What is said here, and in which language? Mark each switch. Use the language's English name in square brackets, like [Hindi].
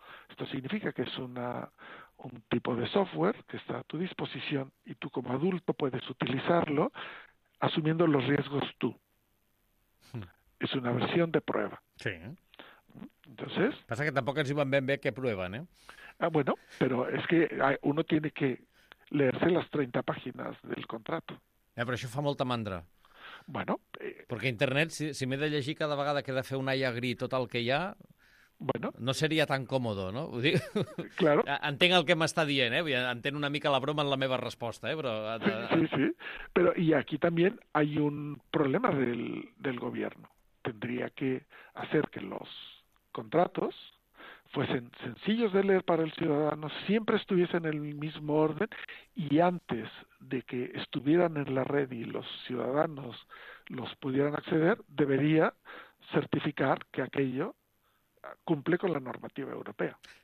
[Spanish] Esto significa que es un tipo de software que está a tu disposición y tú como adulto puedes utilizarlo asumiendo los riesgos tú. Es una versión de prueba. Sí. Entonces, Pasa que tampoco es iban bien que prueban, ¿eh? bueno, pero es que uno tiene que leerse las 30 páginas del contrato. [Catalan] Però això fa molta mandra. [Spanish] Bueno, [Catalan] Perquè internet, si m'he de llegir cada vegada que he de fer un aiagrí tot el que hi ha, no seria tan còmode, no? Ho dic... [Spanish] claro. [Catalan] Entenc el que m'està dient, eh? Entenc una mica la broma en la meva resposta, eh? Però... Sí. [Spanish] Pero y aquí también hay un problema del gobierno. Tendría que hacer que los contratos fuesen sencillos de leer para el ciudadano, siempre estuviesen en el mismo orden y antes de que estuvieran en la red y los ciudadanos los pudieran acceder, debería certificar que aquello cumple con la normativa europea.